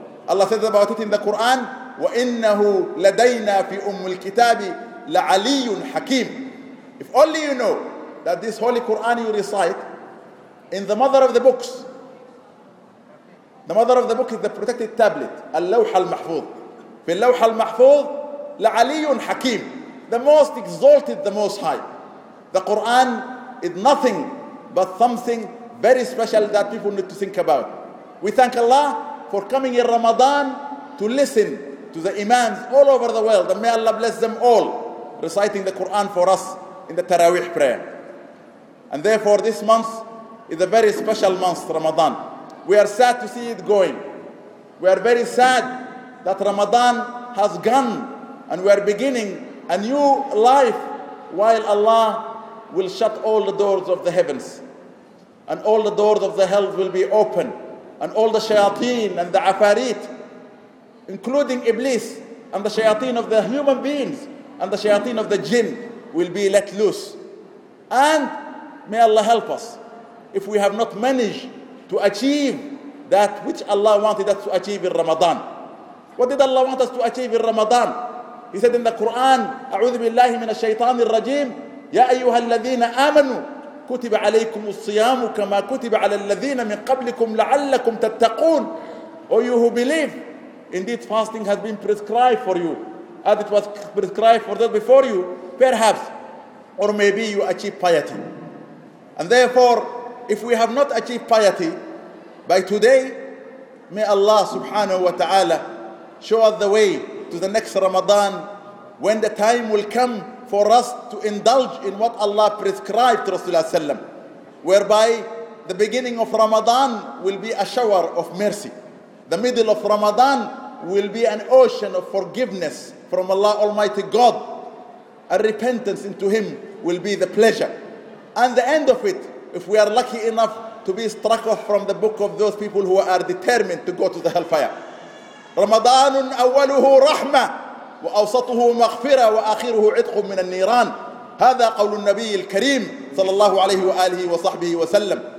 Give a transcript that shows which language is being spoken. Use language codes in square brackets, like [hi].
[en] Allah says about it in the Quran, [ar] وَإِنَّهُ لَدَيْنَا فِي أُمُّ الْكِتَابِ لَعَلِيٌّ حَكِيمٌ. [en] If only you know that this Holy Quran you recite, in the mother of the books, the mother of the book is the protected tablet, [ar] اللوحة المحفوظ. في اللوحة المحفوظ لَعَلِيٌّ حَكِيمٌ. [en] The most exalted, the most high. The Quran is nothing but something very special that people need to think about. We thank Allah for coming in Ramadan to listen to the imams all over the world, and may Allah bless them all, reciting the Quran for us in the Taraweeh prayer. And therefore this month is a very special month, Ramadan. We are sad to see it going. We are very sad that Ramadan has gone and we are beginning a new life while Allah will shut all the doors of the heavens and all the doors of the hell will be open. And all the shayateen and the afarit, including Iblis and the shayateen of the human beings and the shayateen of the jinn, will be let loose. And may Allah help us if we have not managed to achieve that which Allah wanted us to achieve in Ramadan. What did Allah want us to achieve in Ramadan? He said in the Quran, [ar] أعوذ بالله من الشيطان الرجيم يا أيها الذين آمنوا كتب عليكم الصيام كما كتب على الذين من قبلكم لعلكم تتقون. [en] Oh you who believe, indeed fasting has been prescribed for you, as it was prescribed for those before you, perhaps or maybe you achieve piety. And therefore, if we have not achieved piety by today, may Allah subhanahu wa ta'ala show us the way to the next Ramadan, when the time will come for us to indulge in what Allah prescribed to Rasulullah sallam, whereby the beginning of Ramadan will be a shower of mercy. The middle of Ramadan will be an ocean of forgiveness from Allah Almighty God. A repentance into Him will be the pleasure. And the end of it, if we are lucky enough to be struck off from the book of those people who are determined to go to the hellfire. [ar] رمضان أوله رحمة وأوسطه مغفرة وآخره عتق من النيران. هذا قول النبي الكريم صلى الله عليه وآله وصحبه وسلم.